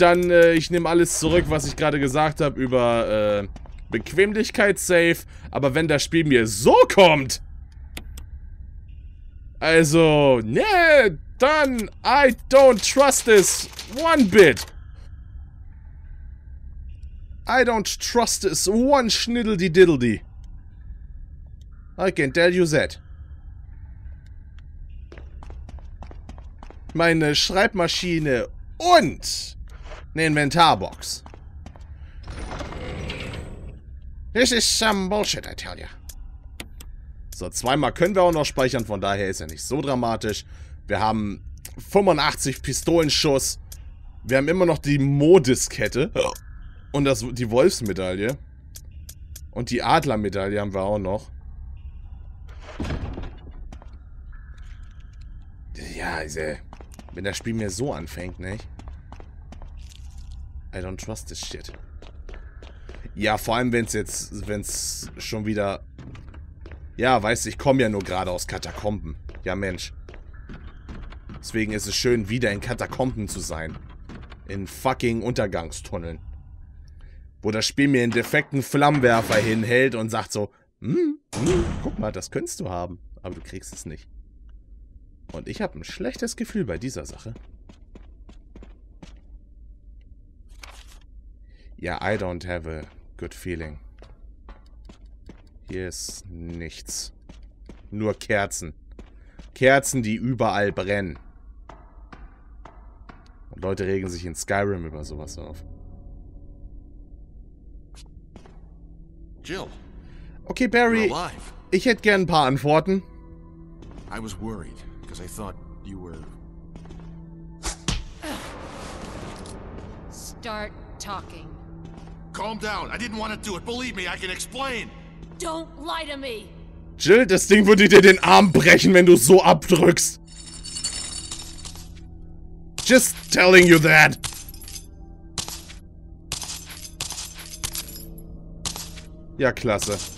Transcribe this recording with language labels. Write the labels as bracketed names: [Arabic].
[German] Dann, ich nehme alles zurück, was ich gerade gesagt habe über, Bequemlichkeit safe, aber wenn das Spiel mir so kommt, also ne, dann [English] I don't trust this one bit. I don't trust this one schniddledy-diddledy. I can tell you that. [German] Meine Schreibmaschine und eine Inventarbox. [English] This is some bullshit, I tell you. [German] So, zweimal können wir auch noch speichern, von daher ist ja nicht so dramatisch. Wir haben 85 Pistolenschuss. Wir haben immer noch die Modiskette. Und das, die Wolfsmedaille. Und die Adlermedaille haben wir auch noch. Ja, also, wenn das Spiel mir so anfängt, nicht? [English] I don't trust this shit. [German] Ja, vor allem, wenn es jetzt, wenn es schon wieder... Ja, weißt du, ich komme ja nur gerade aus Katakomben. Ja, Mensch. Deswegen ist es schön, wieder in Katakomben zu sein. In fucking Untergangstunneln. Wo das Spiel mir einen defekten Flammenwerfer hinhält und sagt so... guck mal, das könntest du haben. Aber du kriegst es nicht. Und ich habe ein schlechtes Gefühl bei dieser Sache. [English] Ja, I don't have a good feeling. [German] Hier ist nichts. Nur Kerzen. Kerzen, die überall brennen. Und Leute regen sich in Skyrim über sowas auf. [English] Jill. Okay, Barry. [German] Ich hätte gern ein paar Antworten. [English] I was worried, because I thought you were... Start talking. Calm down. I didn't want to do it. Believe me, I can explain. Don't lie to me. [German] Jill, das Ding würde dir den Arm brechen, wenn du so abdrückst. [English] just telling you that. [German] Ja, klasse.